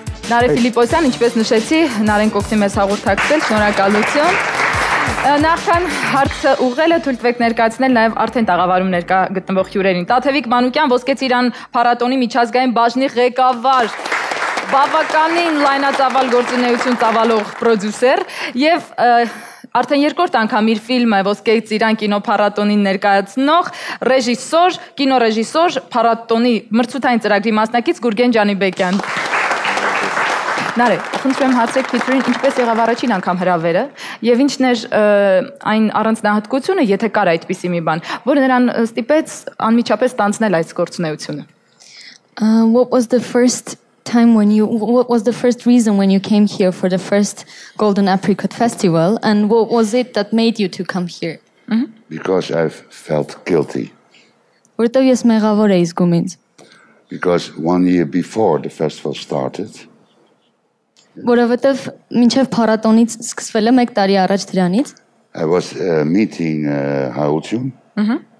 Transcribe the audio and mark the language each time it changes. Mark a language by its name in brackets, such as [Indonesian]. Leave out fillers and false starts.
[Armenian] Նարե Փիլիպոսյան, ինչպես նշեցի, Նարեն կօգնի մեզ հաղորդակցել, շնորհակալություն։ Նախքան հարցը ուղղելը, թույլ տվեք ներկայացնել նաև արդեն տաղավարում ներկա գտնվող հյուրերին։ ՏԱԹԵՎԻԿ Մանուկյան, Ոսկե ծիրան փառատոնի միջազգային բաժնի ղեկավար, բավականին լայնածավալ գործունեություն ծավալող պրոդյուսեր եւ արդեն երկրորդ անգամ իր ֆիլմը Ոսկե ծիրան կինոփառատոնին ներկայացնող ռեժիսոր, կինոռեժիսոր, փառատոնի մրցութային ծրագրի մասնակից Գուրգեն Ջանիբեկյան։ Նարե, խնդրեմ հարցեք Փիթերին, ինչպես եղավ առաջին անգամ հրավերը եւ ի՞նչն էր այն առանձնահատկությունը, եթե կար այդպիսի մի բան, որը նրան ստիպեց անմիջապես տանցնել այս գործունեությունը։ [English] What was the first time when you, what was the first reason when you came here for the first Golden Apricot Festival, and what was it that made you to come here? Because I felt guilty. [Armenian] Որտեւ ես մեղավոր էի զգում ինձ։ [English] Because one year before the festival started, [Armenian] որովհետև մինչև փառատոնից սկսվելը 1 տարի առաջ դրանից [English] I was meeting Հարություն։